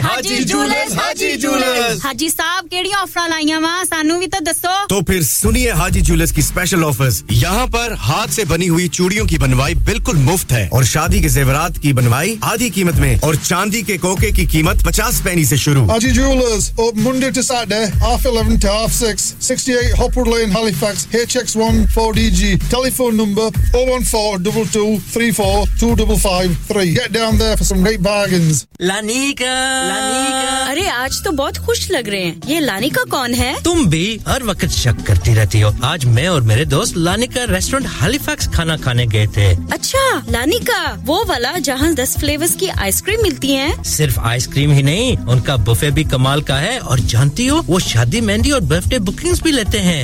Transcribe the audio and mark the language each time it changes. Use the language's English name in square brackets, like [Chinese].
[Hindi] हाजी jewellers हाजी jewellers [Punjabi] हाजी साहब KD offer लाईया वा सानू भी तो दसो [Hindi] तो फिर सुनिए हाजी जूलर्स की स्पेशल ऑफर्स यहां पर हाथ से बनी हुई चूड़ियों की बनवाई बिल्कुल मुफ्त है और शादी के जेवरात की बनवाई आधी कीमत में और चांदी के कोके की कीमत 50 पैसे से शुरू [English] Haji jewellers open Monday to Saturday half 11 to half 6 68 hopper in Halifax HX14DG telephone number 01422342553 get down there for some great bargains Lanika Lanika [Hindi] अरे आज तो बहुत खुश लग रहे हैं ये Lanika कौन है तुम भी हर वक्त शक करती रहती हो आज मैं और मेरे दोस्त Lanika restaurant Halifax खाना खाने गए थे अच्छा Lanika वो वाला जहां 10 flavors की आइसक्रीम मिलती है सिर्फ आइसक्रीम ही नहीं उनका बुफे भी कमाल का है और जानती हो वो शादी मेहंदी और बर्थडे बुकिंग्स भी लेते हैं